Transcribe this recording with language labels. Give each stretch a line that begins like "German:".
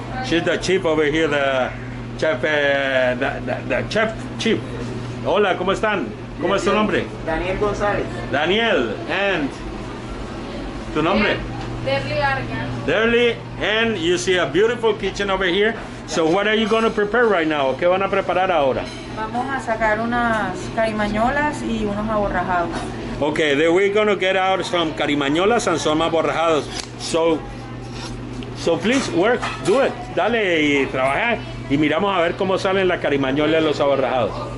English: She's the chief over here, the chef chief.
Spanish: Hola, ¿cómo están? ¿Cómo es su nombre? Daniel González. Daniel, and Tu nombre? Derly Argan.
English: Derly, and you see a beautiful kitchen over here. So what are you going to prepare right now?
Spanish: ¿Qué van a preparar ahora? Vamos a sacar unas carimañolas y unos aborrajados.
English: Okay, then we're going to get out some carimañolas and some aborrajados. So please work, do it. Dale y trabaja.
Spanish: Y miramos a ver cómo salen las carimañolas y los aborrajados.